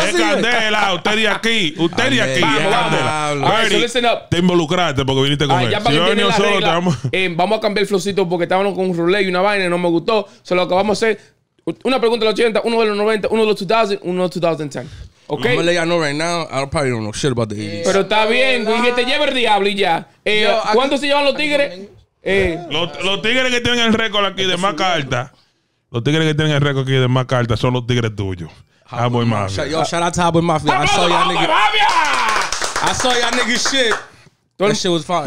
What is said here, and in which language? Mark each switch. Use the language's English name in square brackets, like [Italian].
[Spanish] Es Candela, usted de aquí, usted de aquí. Te involucraste porque viniste con él. Si yo venía solo, te vamos. Vamos a cambiar el flowcito porque estábamos con un roulette y una vaina y no me gustó. Solo lo que vamos a hacer, una pregunta de los 80, uno de los 90, uno de los 2000, uno de los 2010. [English] Okay. I'm gonna let y'all know right now, I probably don't know shit about the 80s. [Spanish] Pero está bien, y que te lleve el diablo y ya. ¿Cuánto se llevan los tigres? Los tigres que tienen el récord aquí de más carta. Los tigres que tienen el récord aquí de más cartas son los tigres tuyos. [English] Hot Boy Mafia. Yo, shout out to Hot Boy Mafia. I saw y'all nigga. I saw y'all nigga shit. That shit was fine.